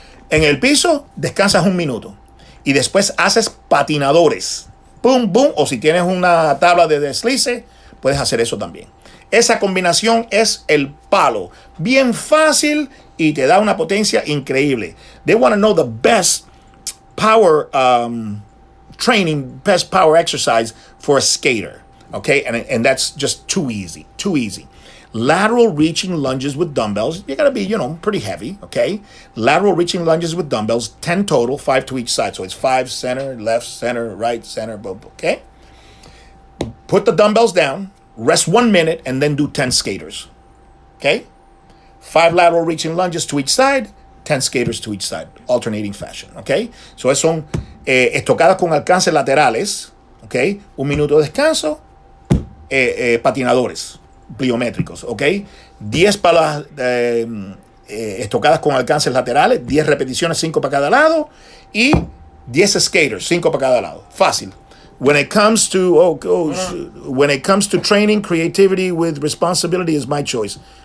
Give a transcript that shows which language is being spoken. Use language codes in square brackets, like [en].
[es] En el piso descansas 1 minuto y después haces patinadores. Pum, pum, o si tienes una tabla de deslice, puedes hacer eso también. Esa combinación es el palo. Bien fácil y te da una potencia increíble. [en] They want to know the best power training, best power exercise for a skater. Okay? And that's just too easy. Too easy. Lateral reaching lunges with dumbbells. You got to be, you know, pretty heavy. Okay? Lateral reaching lunges with dumbbells. 10 total, 5 to each side. So it's 5 center, left center, right center, boom, boom. Okay? Put the dumbbells down. Rest 1 minute and then do 10 skaters. Okay? 5 lateral reaching lunges to each side, 10 skaters to each side, alternating fashion. Okay? [es] So eso son estocadas con alcance laterales. Okay? 1 minuto de descanso, patinadores pliométricos. Okay? 10 para las estocadas con alcance laterales, 10 repeticiones, 5 para cada lado, y 10 skaters, 5 para cada lado. Fácil. [en] When it comes to when it comes to training, creativity with responsibility is my choice.